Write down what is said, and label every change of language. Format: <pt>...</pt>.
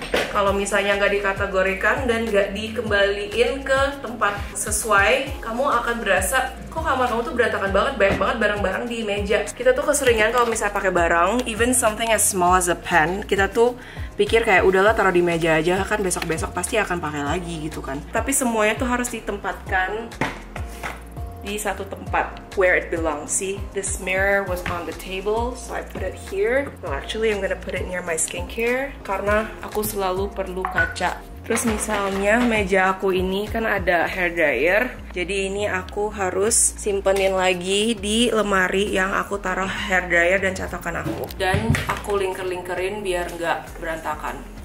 <id>Kalau misalnya nggak dikategorikan dan nggak dikembaliin ke tempat sesuai, kamu akan berasa kok kamar kamu tuh berantakan banget, banyak banget barang-barang di meja. Kita tuh keseringan kalau misalnya pakai barang, even something as small as a pen, kita tuh pikir kayak udahlah taruh di meja aja kan, besok-besok pasti akan pakai lagi gitu kan. Tapi semuanya tuh harus ditempatkan di satu tempat where it belongs.</id> <en>See, this mirror was on the table, so I put it here. Well, actually, I'm gonna put it near my skincare karena aku selalu perlu kaca.</en> <id>Terus misalnya meja aku ini kan ada hair dryer, jadi ini aku harus simpenin lagi di lemari yang aku taruh hair dryer dan catokan aku. Dan aku lingker-lingkerin biar nggak berantakan.</id>